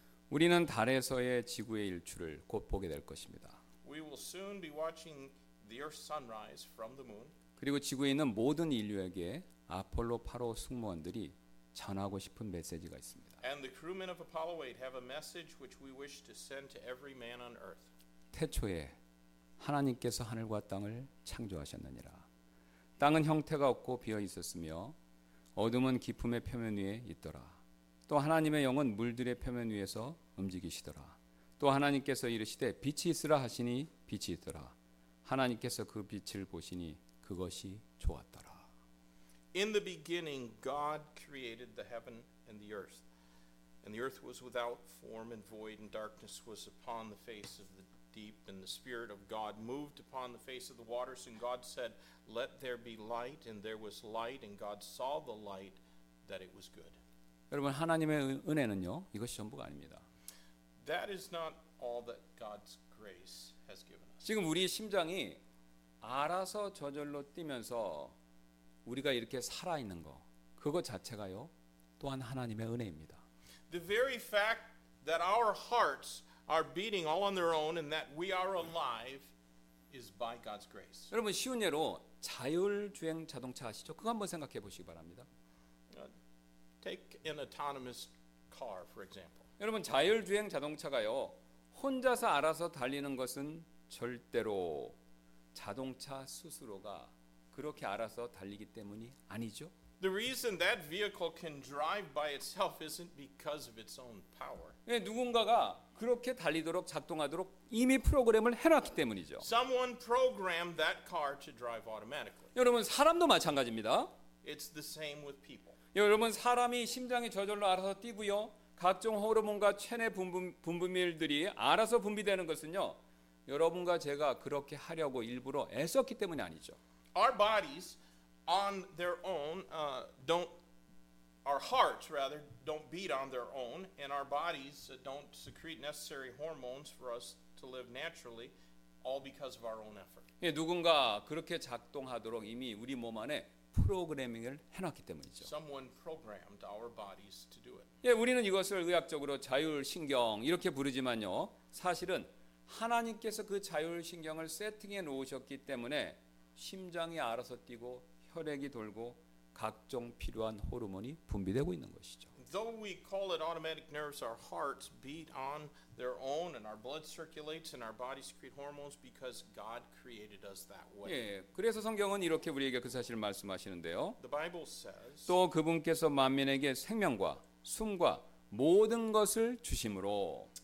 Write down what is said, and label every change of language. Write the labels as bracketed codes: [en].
[ko] 우리는 달에서의 지구의 일출을 곧 보게 될 것입니다. [en] We will soon be watching the Earth sunrise from the moon. [ko] 그리고 지구에 있는 모든 인류에게 아폴로 8호 승무원들이 전하고 싶은 메시지가 있습니다. [en] And the crewmen of Apollo 8 have a message which we wish to send to every man on earth. [ko] 태초에 하나님께서 하늘과 땅을 창조하셨느니라. 땅은 형태가 없고 비어 있었으며 어둠은 깊음의 표면 위에 있더라. 또 하나님의 영은 물들의 표면 위에서 움직이시더라. 또 하나님께서 이르시되 빛이 있으라 하시니 빛이 있더라. 하나님께서 그 빛을 보시니 그것이 좋았더라. [en] In the beginning God created the heaven and the earth. And the earth was without form and void and darkness was upon the face of the deep and the spirit of God moved upon the face of the waters and God said let there be light and there was light and God saw the light that it was good. [ko] 여러분 하나님의 은혜는요. 이것이 전부가 아닙니다. [en] That is not all that God's grace has given us. [ko] 지금 우리 심장이 알아서 저절로 뛰면서 우리가 이렇게 살아 있는 거 그거 자체가요. 또한 하나님의 은혜입니다. [en] The very fact that our hearts are beating all on their own and that we are alive is by God's grace. [ko] 여러분 쉬운 예로 자율주행 자동차 아시죠? 그거 한번 생각해 보시기 바랍니다. [en] Take an autonomous car for example. [ko] 여러분 자율주행 자동차가요. 혼자서 알아서 달리는 것은 절대로 자동차 스스로가 그렇게 알아서 달리기 때문이 아니죠. [en] The reason that vehicle can drive by itself isn't because of its own power. [ko] 예, 누군가가 그렇게 달리도록 작동하도록 이미 프로그램을 해놨기 때문이죠. [en] Someone programmed that car to drive automatically. [ko] 여러분 사람도 마찬가지입니다. [en] It's the same with people. [ko] 여러분 사람이 심장이 저절로 알아서 뛰고요. 각종 호르몬과 체내 분비물들이 알아서 분비되는 것은요. 여러분과 제가 그렇게 하려고 일부러 애썼기 때문이 아니죠. [en] Our bodies on their own don't our hearts rather don't beat on their own and our bodies don't secrete necessary hormones for us to live naturally all because of our own effort. [ko] 예, 누군가 그렇게 작동하도록 이미 우리 몸 안에 프로그래밍을 해놨기 때문이죠. [en] Someone programmed our bodies to do it. [ko] 예, 우리는 이것을 의학적으로 자율신경 이렇게 부르지만요. 사실은 하나님께서 그 자율신경을 세팅해 놓으셨기 때문에 심장이 알아서 뛰고 혈액이 돌고 각종 필요한 호르몬이 분비되고 있는 것이죠. [en] Though we call it automatic nerves, our hearts beat on their own and our blood circulates and our bodies secrete hormones because God created us that way. [ko] 예, 그래서 성경은 이렇게 우리에게 그 사실을 말씀하시는데요. [en] The Bible says, [ko] 또 그분께서 만민에게 생명과 숨과 모든 것을 주심으로.